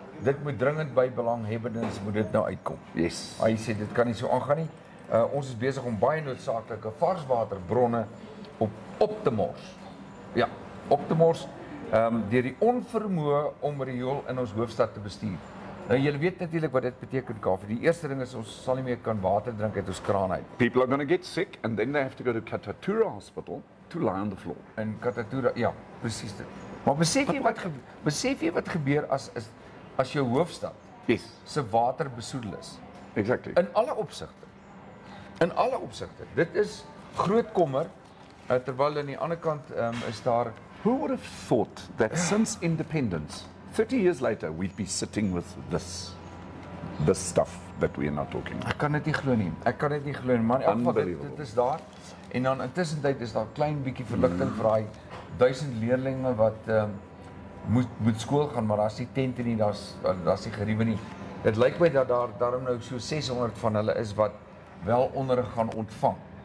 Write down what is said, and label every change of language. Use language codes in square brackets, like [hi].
[af] dit moet dringend by belang hebbendes moet dit nou uitkom. [en] Yes. [af] Hy sê dit kan nie so aangaan nie. Ons is besig om baie noodsaaklike varswaterbronne op te mors. Ja, op te mors deur die onvermoë om riool in ons hoofstad te bestuur. Nou julle weet natuurlik wat dit beteken Kaffie. Die eerste ding is ons sal nie meer kan water drink uit ons kraan uit. [en] People are going to get sick and then they have to go to Katatura hospital to lie on the floor. [af] En Katatura, ja, presies dit. Maar besef jy wat gebeur as jou hoofstad se water besoedel is? [en] Exactly. [af] In alle opsigte. Dit is groot kommer terwyl aan die ander kant is daar [en] who would have thought that since independence 30 years later we'd be sitting with this stuff that we are not talking about. [af] Ek kan dit nie glo nie man, dit is daar en dan intussen tyd is daar klein bietjie verligting vir daai 1000 leerlinge wat moet skool gaan, maar daar's nie tente nie, daar's nie geriewe nie. Dit lyk my dat daar daarom nou so 600 van hulle is wat wel onderrig gaan ontvang.